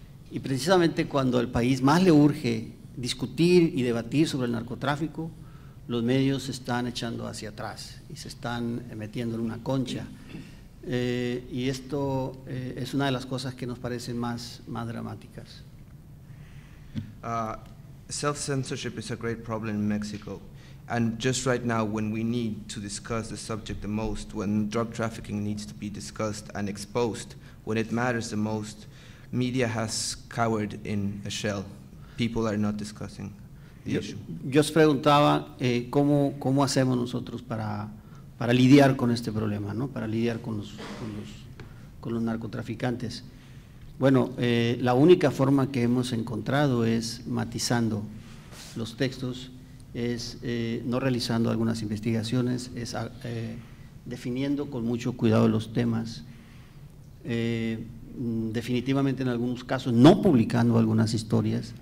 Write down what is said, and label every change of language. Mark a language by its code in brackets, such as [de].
[es] Y precisamente cuando al país más le urge discutir y debatir sobre el narcotráfico, los medios se están echando hacia atrás y se están metiendo en una concha. Y esto es una de las cosas que nos parecen más dramáticas. [en] Self-censorship is a great problem in Mexico. And just right now, when we need to discuss the subject the most, when drug trafficking needs to be discussed and exposed, when it matters the most, media has cowered in a shell. People are not discussing the issue. [es] Yo os preguntaba cómo hacemos nosotros para lidiar con este problema, ¿no? Para lidiar con los narcotraficantes. Bueno, la única forma que hemos encontrado es matizando los textos, es no realizando algunas investigaciones, es definiendo con mucho cuidado los temas, definitivamente en algunos casos no publicando algunas historias.